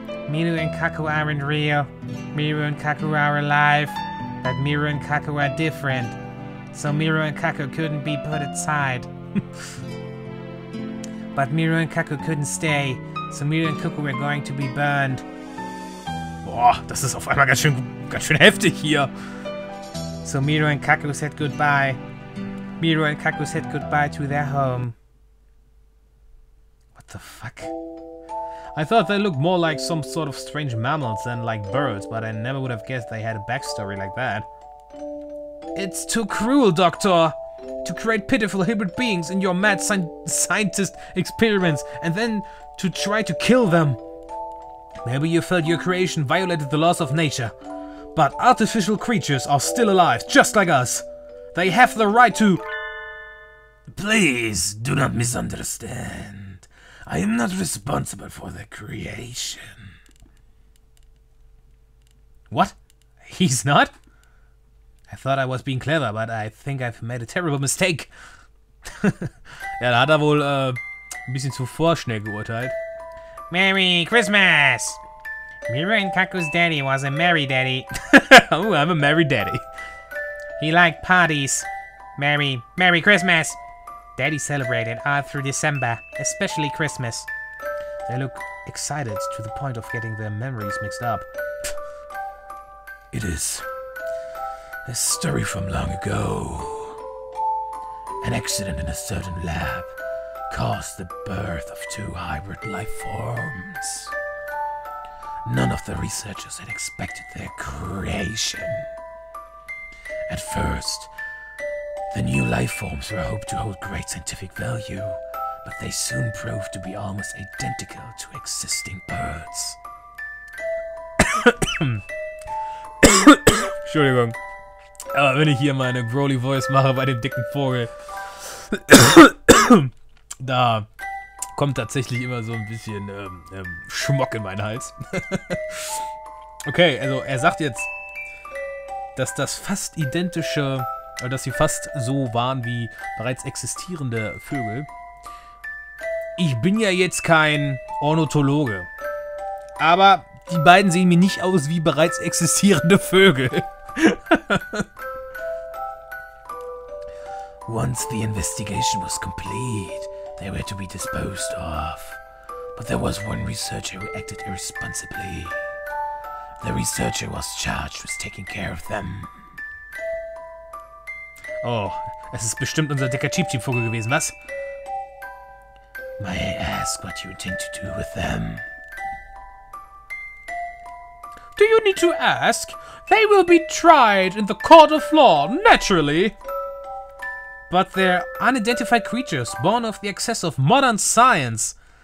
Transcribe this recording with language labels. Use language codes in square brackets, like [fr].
[en] Miru and Kaku aren't real. Miru and Kaku are alive. But Miru and Kaku are different. So Miru and Kaku couldn't be put aside. But Miru and Kaku couldn't stay, so Miru and Kaku were going to be burned. [de] Boah, das ist auf einmal ganz schön heftig hier. [en] So Miru and Kaku said goodbye. Miru and Kaku said goodbye to their home. What the fuck? I thought they looked more like some sort of strange mammals than like birds, but I never would have guessed they had a backstory like that. It's too cruel, Doctor! To create pitiful hybrid beings in your mad scientist experiments, and then to try to kill them. Maybe you felt your creation violated the laws of nature, but artificial creatures are still alive, just like us. They have the right to... Please, do not misunderstand. I am not responsible for their creation. What? He's not? I thought I was being clever, but I think I've made a terrible mistake. [de] Ja, da hat er wohl ein bisschen zu vorschnell geurteilt. [en] Merry Christmas! Miru and Kaku's daddy was a merry daddy. Oh, I'm a merry daddy. He liked parties. Merry Christmas! Daddy celebrated all through December, especially Christmas. They look excited to the point of getting their memories mixed up. It is... a story from long ago. An accident in a certain lab caused the birth of two hybrid life forms. None of the researchers had expected their creation. At first, The new life forms were hoped to hold great scientific value, but they soon proved to be almost identical to existing birds. [de] Entschuldigung. Aber wenn ich hier meine Growly Voice mache bei dem dicken Vogel, da kommt tatsächlich immer so ein bisschen Schmock in meinen Hals. Okay, also er sagt jetzt, dass das fast identische, oder dass sie fast so waren wie bereits existierende Vögel. Ich bin ja jetzt kein Ornithologe, aber die beiden sehen mir nicht aus wie bereits existierende Vögel. [en] Once the investigation was complete, they were to be disposed of. But there was one researcher who acted irresponsibly. The researcher was charged with taking care of them. [de] Oh, es ist bestimmt unser dicker Cheep-Cheep-Vogel gewesen, was? [en] May I ask what you intend to do with them? Do you need to ask? They will be tried in the court of law, naturally. But they're unidentified creatures born of the excess of modern science.